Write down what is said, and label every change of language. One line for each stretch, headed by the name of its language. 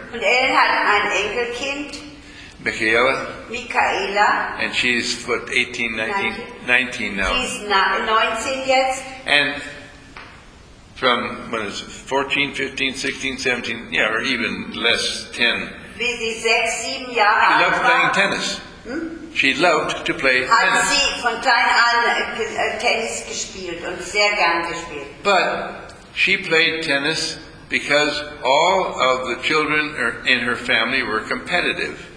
German: Und Ellen hat ein Enkelkind.
English: Michaela. And she's, what, 18, 19 now. She's 19
German: jetzt.
English: And from, what is it, 14, 15, 16, 17, yeah, or even less, 10.
German: Wie sie 6, 7 Jahre alt war.
English: She loved playing tennis. Hmm? She loved to play
German: hat
English: tennis.
German: Sie von klein an Tennis gespielt und sehr gern gespielt.
English: But she played tennis because all of the children in her family were competitive.